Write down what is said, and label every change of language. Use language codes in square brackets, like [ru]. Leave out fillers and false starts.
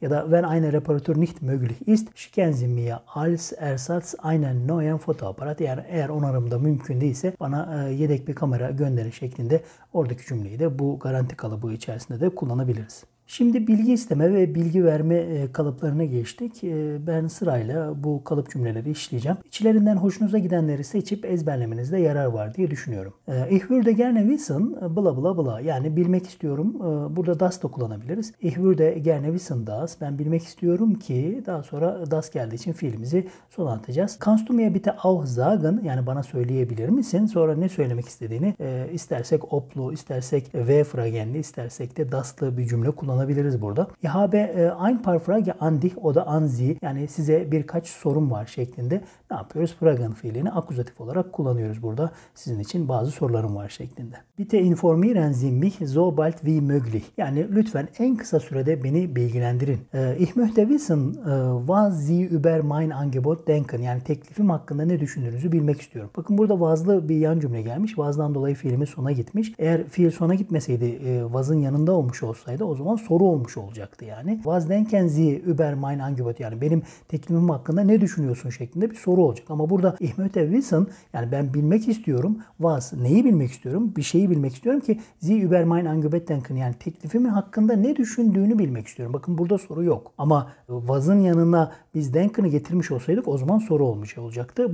[de] Ja da wenn eine Reparatur nicht möglich ist, schicken Sie mir als Ersatz einen neuen Fotoaparat, [tr] yani eğer onarım da mümkün değilse bana yedek bir kamera gönderin şeklinde oradaki cümleyi de bu garanti kalıbı içerisinde de kullanabiliriz. Şimdi bilgi isteme ve bilgi verme kalıplarına geçtik. Ben sırayla bu kalıp cümleleri işleyeceğim. İçlerinden hoşunuza gidenleri seçip ezberlemenizde yarar var diye düşünüyorum. [de] Ich würde gerne wissen, bla bla bla. [tr] Yani bilmek istiyorum. Burada das da kullanabiliriz. [de] Ich würde gerne wissen das. [tr] Ben bilmek istiyorum ki, daha sonra das geldiği için fiilimizi sonlandıracağız. [de] Kannst du mir bitte auch sagen, [tr] yani bana söyleyebilir misin? Sonra ne söylemek istediğini, istersek oblu, istersek w-fragenli, istersek de daslı bir cümle kullanabiliriz burada. [de] Ich habe ein paar Frage an dich, [tr] o da [de] an sie, [tr] yani size birkaç sorum var şeklinde ne yapıyoruz? Fragen fiilini akuzatif olarak kullanıyoruz burada. Sizin için bazı sorularım var şeklinde. [de] Bitte informieren Sie mich so bald wie möglich. [tr] Yani lütfen en kısa sürede beni bilgilendirin. [de] Ich möchte wissen was Sie über mein Angebot denken. [tr] Yani teklifim hakkında ne düşündüğünüzü bilmek istiyorum. Bakın burada was'lı bir yan cümle gelmiş. Was'dan dolayı fiilimiz sona gitmiş. Eğer fiil sona gitmeseydi was'ın yanında olmuş olsaydı, o zaman soru olmuş olacaktı yani. [de] Was denken Sie über mein Angebot? [tr] Yani benim teklifim hakkında ne düşünüyorsun şeklinde bir soru olacak. Ama burada [de] Ich möchte wissen, [tr] yani ben bilmek istiyorum. Was, neyi bilmek istiyorum? Bir şeyi bilmek istiyorum ki [de] Sie über mein Angebot denken, [tr] yani teklifimin hakkında ne düşündüğünü bilmek istiyorum. Bakın burada soru yok. Ama was'ın yanına biz denken'ı getirmiş olsaydık, o zaman soru olmuş olacaktı.